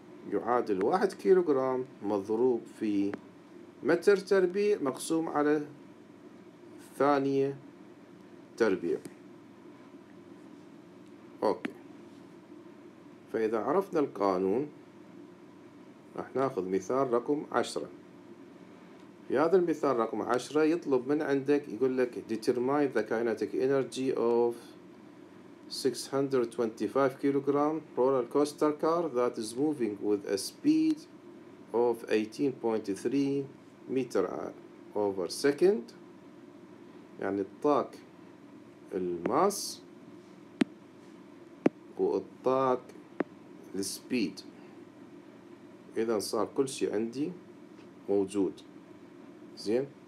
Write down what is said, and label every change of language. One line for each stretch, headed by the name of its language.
Arabic: يعادل 1 كيلوغرام مضروب في متر تربيع مقسوم على ثانية تربيع. أوكي. فإذا عرفنا القانون راح نأخذ مثال رقم 10. في هذا المثال رقم 10 يطلب من عندك يقول لك
English: determine the kinetic energy of 625 kilogram roller coaster car that is moving with a speed of 18.3 meter over second.
Arabic: يعني الطاق الماس والطاق السبيد. إذا صار كل شيء عندي موجود زين.